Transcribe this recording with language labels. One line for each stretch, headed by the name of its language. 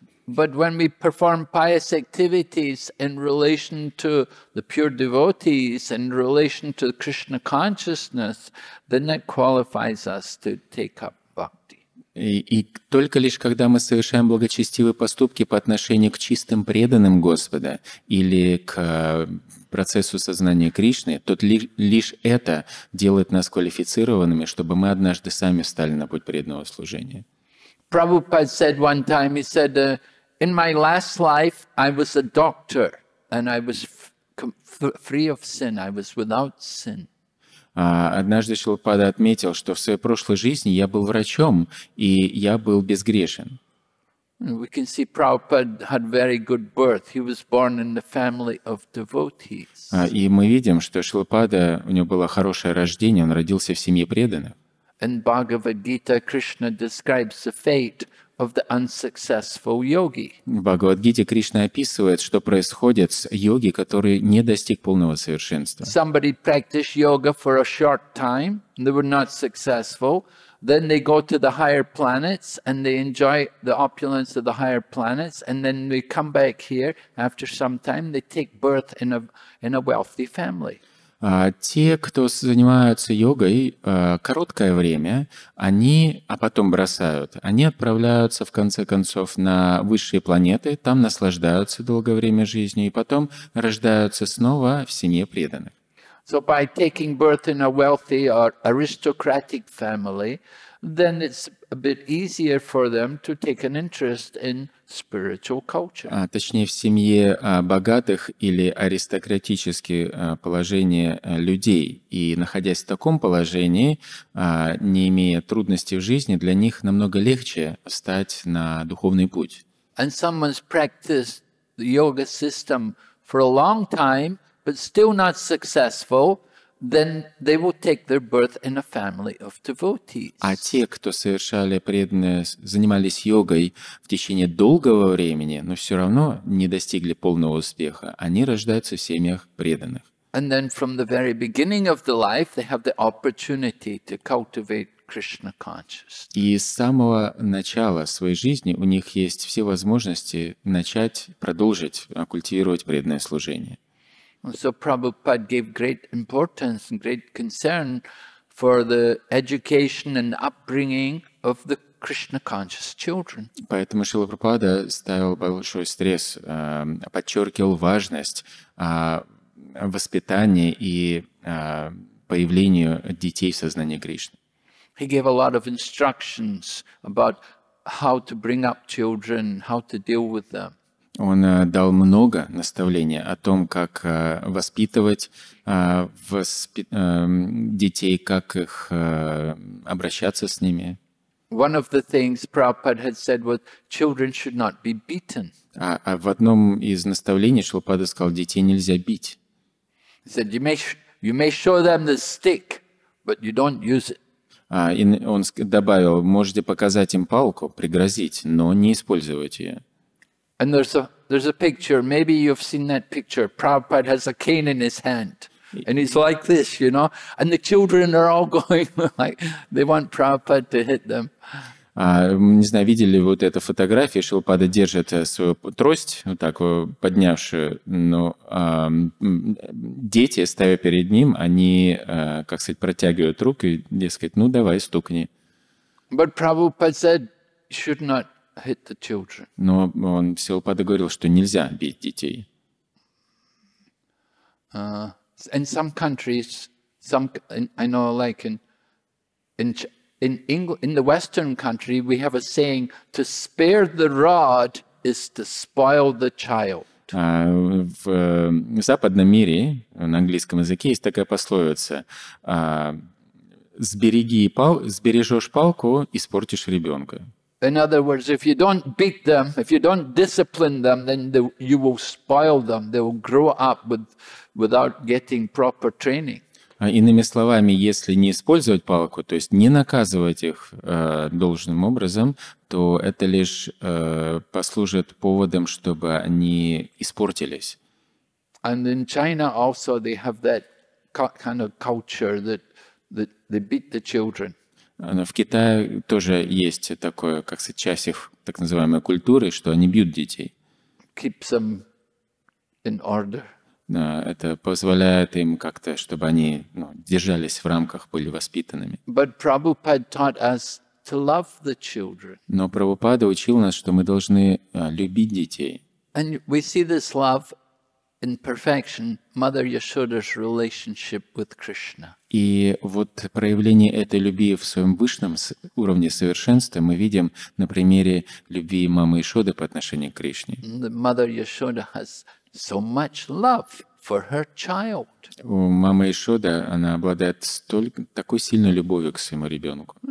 English: But when we perform pious activities in relation to the pure devotees, in relation to the Krishna consciousness, then that qualifies us to take up bhakti.
Russian: И только лишь когда мы совершаем благочестивые поступки по отношению к чистым преданным Господа или к процессу сознания Кришны, то лишь это делает нас квалифицированными, чтобы мы однажды сами встали на путь преданного служения.
English: Prabhupada said one time, he said, in my last life, I was a doctor, and I was free of sin. I was without sin.
Russian: Однажды Шилпада отметил, что в своей прошлой жизни я был врачом, и я был безгрешен.
English: We can see Prabhupada had very good birth. He was born in the family of devotees.
Russian: И мы видим, что Шилпада, у него было хорошее рождение, он родился в семье преданных.
English: In Bhagavad Gita, Krishna describes the fate of the unsuccessful yogi.
Russian: В Бхагавад-гите Кришна описывает, что происходит с йоги, который не достиг полного совершенства.
English: Somebody practiced yoga for a short time, and they were not successful. Then they go to the higher planets and they enjoy the opulence of the higher planets, and then they come back here after some time, they take birth in a wealthy family.
Russian: Те, кто занимаются йогой короткое время, они, а потом бросают, они отправляются в конце концов на высшие планеты, там наслаждаются долгое время жизнью и потом рождаются снова в семье преданных.
English: So by taking birth in a wealthy or aristocratic family, then it's a bit easier for them to take an interest in spiritual culture.
Russian: Точнее, в семье богатых или аристократических положений людей. И находясь в таком положении, не имея трудностей в жизни, для них намного легче встать на духовный путь.
English: And someone's practiced the yoga system for a long time, but still not successful, then they will take their birth in a family of devotees.
Russian: А те, кто совершали преданное, занимались йогой в течение долгого времени, но все равно не достигли полного успеха, они рождаются в семьях преданных.
English: And then from the very beginning of the life, they have the opportunity to cultivate Krishna consciousness.
Russian: И с самого начала своей жизни у них есть все возможности начать, продолжить культивировать преданное служение.
English: So Prabhupada gave great importance and great concern for the education and upbringing of the Krishna conscious children.
Russian: Поэтому Шрила Прабхупада ставил большой стресс, подчеркивал важность воспитания и появлению детей в сознании Кришны.
English: He gave a lot of instructions about how to bring up children, how to deal with them.
Russian: Он дал много наставлений о том, как воспитывать детей, как их обращаться с ними.
English: One of the things Prabhupada had said was, children should not be beaten.
Russian: А в одном из наставлений Шилпада сказал, детей нельзя бить.
English: He said, you may show them the stick, but you don't use it.
Russian: И он добавил, можете показать им палку, пригрозить, но не использовать ее.
English: And there's a picture, maybe you've seen that picture. Prabhupada has a cane in his hand. And he's like this, you know? And the children are all going like, they want Prabhupada to hit them.
Russian: Не знаю, видели вот эту фотографию, Шилпада держит свою трость, вот так поднявшую, но дети, ставя перед ним, они, как сказать, протягивают руки, дескать, ну давай, стукни.
English: But Prabhupada said, you should not hit the children.
Russian: Но он Шилпада говорил, что нельзя бить детей.
English: And some countries, I know, like in the Western country, we have a saying: to spare the rod is to spoil the child.
Russian: В западном мире, на английском языке, есть такая пословица: сбережешь палку, испортишь ребенка.
English: In other words, if you don't beat them, if you don't discipline them, then you will spoil them. They will grow up without getting proper training.
Russian: Иными словами, если не использовать палку, то есть не наказывать их должным образом, то это лишь послужит поводом, чтобы они испортились.
English: And in China also they have that kind of culture that they beat the children.
Russian: В Китае тоже есть такое, как сказать, часть их так называемой культуры, что они бьют детей.
English: Keep them in order.
Russian: Это позволяет им как-то, чтобы они держались в рамках, были воспитанными.
English: But Prabhupada taught us to love the children.
Russian: Но Прабхупада учил нас, что мы должны любить детей.
English: And we see this love in perfection, Mother Yashoda's relationship with Krishna.
Russian: И вот проявление этой любви в своем высшем уровне совершенства мы видим на примере любви мамы Яшоды по отношению к Кришне.
English: Mother Yashoda has so much love for her child.
Russian: У мамы Яшоды она обладает такой сильной любовью к своему ребенку.